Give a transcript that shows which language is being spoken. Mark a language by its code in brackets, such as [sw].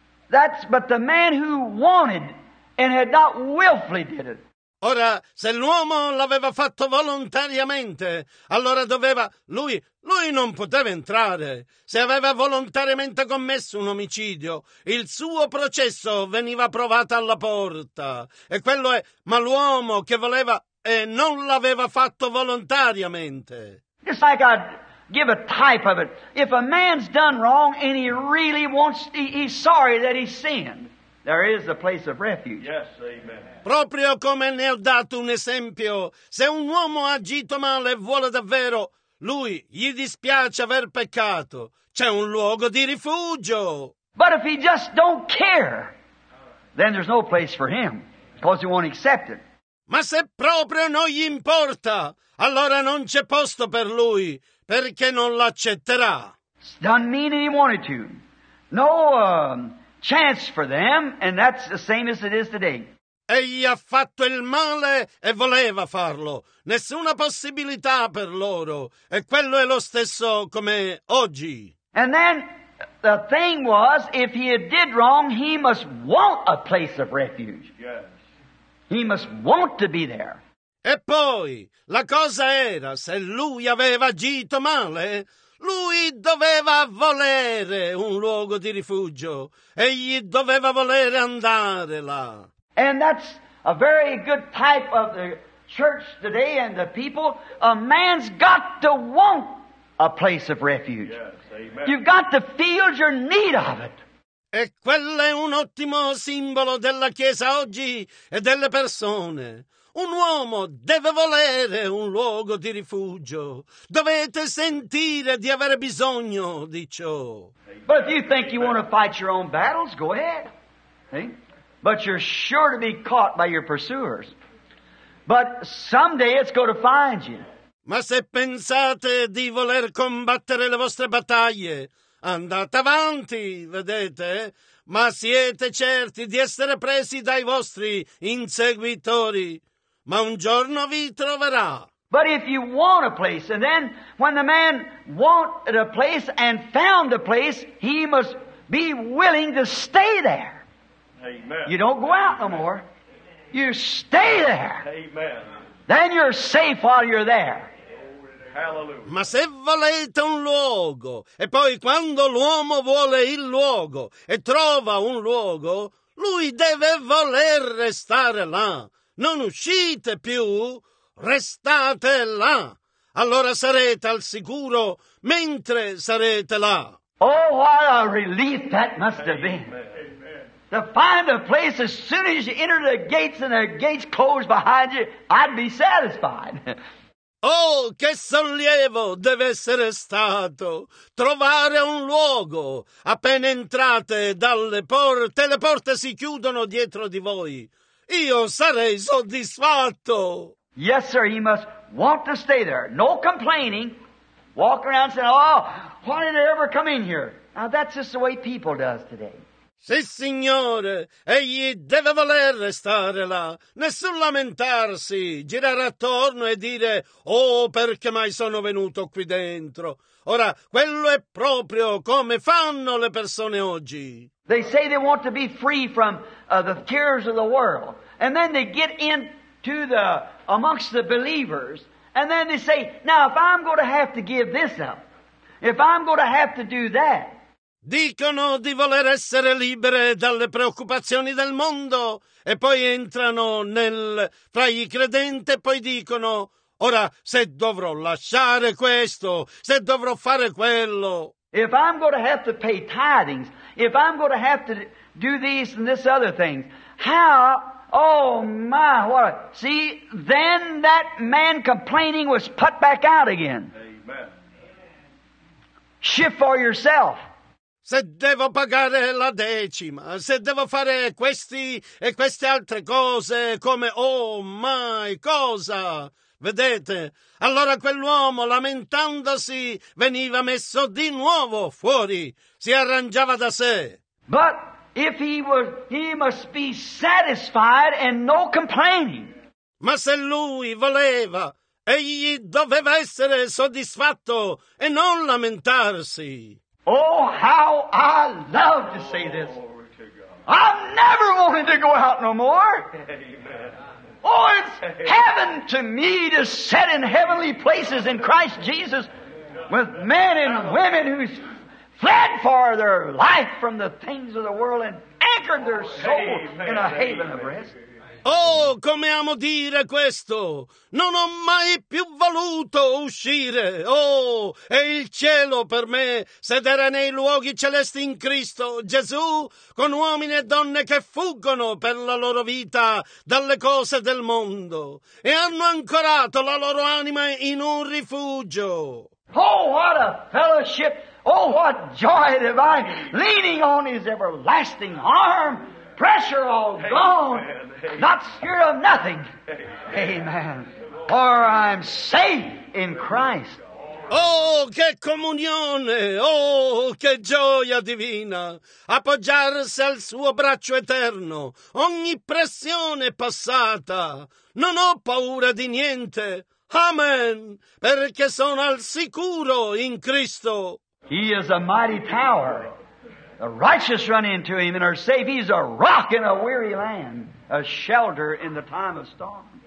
[en] But the man who wanted and had not willfully did it. [it] Ora, se l'uomo l'aveva fatto volontariamente, allora doveva lui non poteva entrare. Se aveva volontariamente commesso un omicidio, il suo processo veniva provato alla porta. E quello è, ma l'uomo che voleva e non l'aveva fatto volontariamente. [en] It's like I'd give a type of it. If a man's done wrong and he really wants, he's sorry that he sinned. There is a place of refuge. Yes, amen. [it] Proprio come ne ho dato un esempio, se un uomo ha agito male e vuole davvero, lui gli dispiace aver peccato, c'è un luogo di rifugio. [en] But if he just don't care, then there's no place for him, because he won't accept it. [it] Ma se proprio non gli importa, allora non c'è posto per lui, perché non l'accetterà. [en] Doesn't mean he wanted to. No, chance for them, and that's the same as it is today. [it] Egli ha fatto il male e voleva farlo. Nessuna possibilità per loro. E quello è lo stesso come oggi. [en] And then the thing was, if he did wrong, he must want a place of refuge. Yes. He must want to be there. [it] E poi, la cosa era, se lui aveva agito male, lui doveva volere un luogo di rifugio. Egli doveva volere andare là. [en] And that's a very good type of the church today and the people. A man's got to want a place of refuge. Yes, amen. You've got to feel your need of it. [it] E quello è un ottimo simbolo della Chiesa oggi e delle persone. Un uomo deve volere un luogo di rifugio. Dovete sentire di avere bisogno di ciò. [en] But if you think you want to fight your own battles, go ahead. Hey? But you're sure to be caught by your pursuers. But someday it's going to find you. [it] Ma se pensate di voler combattere le vostre battaglie, andate avanti, vedete? Ma siete certi di essere presi dai vostri inseguitori. Ma un giorno vi troverà. [en] But if you want a place, and then when the man wanted a place and found a place, he must be willing to stay there. Amen. You don't go out no more. You stay there. Amen. Then you're safe while you're there. Hallelujah. [it] Ma se volete un luogo, e poi quando l'uomo vuole il luogo e trova un luogo, lui deve voler restare là. Non uscite più, restate là. Allora sarete al sicuro mentre sarete là. [en] Oh, what a relief that must have been. To find a place as soon as you enter the gates and the gates close behind you, I'd be satisfied. [it] Oh, che sollievo deve essere stato trovare un luogo. Appena entrate dalle porte si chiudono dietro di voi. io sarei soddisfatto. [en] Yes, sir, he must want to stay there. No complaining. Walk around saying, oh, why did I ever come in here? Now, that's just the way people does today. [it] Sì, signore, egli deve voler restare là. Nessun lamentarsi, girare attorno e dire, oh, perché mai sono venuto qui dentro? Ora, quello è proprio come fanno le persone oggi. [en] They say they want to be free from the cares of the world. And then they get into the, amongst the believers. And then they say, now if I'm going to have to give this up, if I'm going to have to do that, [it] dicono di voler essere libere dalle preoccupazioni del mondo e poi entrano fra i credenti e poi dicono, ora se dovrò lasciare questo, se dovrò fare quello. [en] If I'm going to have to pay tithings, if I'm going to have to do these and this other things, how, oh my, what, see, then that man complaining was put back out again. Amen. Shift for yourself. [it] Se devo pagare la decima, se devo fare questi e queste altre cose, come [en] oh my [it] cosa, vedete? Allora quell'uomo lamentandosi veniva messo di nuovo fuori, si arrangiava da sé. [en] But if he was, he must be satisfied and no complaining. [it] Ma se lui voleva, egli doveva essere soddisfatto e non lamentarsi. [en] Oh, how I love to say this. I never wanted to go out no more. Amen. Oh, it's heaven to me to sit in heavenly places in Christ Jesus with men and women who's fled for their life from the things of the world and anchored their soul in a haven of rest. [it] Oh, come amo dire questo! Non ho mai più voluto uscire! Oh, è il cielo per me sedere nei luoghi celesti in Cristo Gesù con uomini e donne che fuggono per la loro vita dalle cose del mondo e hanno ancorato la loro anima in un rifugio! [en] Oh, what a fellowship! Oh, what joy divine! Leaning on His everlasting arm! Pressure all gone, not scared of nothing. Amen. For I'm safe in Christ. [it] Oh, che comunione! Oh, che gioia divina! Appoggiarsi al suo braccio eterno, ogni pressione passata. Non ho paura di niente. Amen. Perché sono al sicuro in Cristo. [en] He is a mighty tower. The righteous run into Him and are safe. He's a rock in a weary land, a shelter in the time of storm.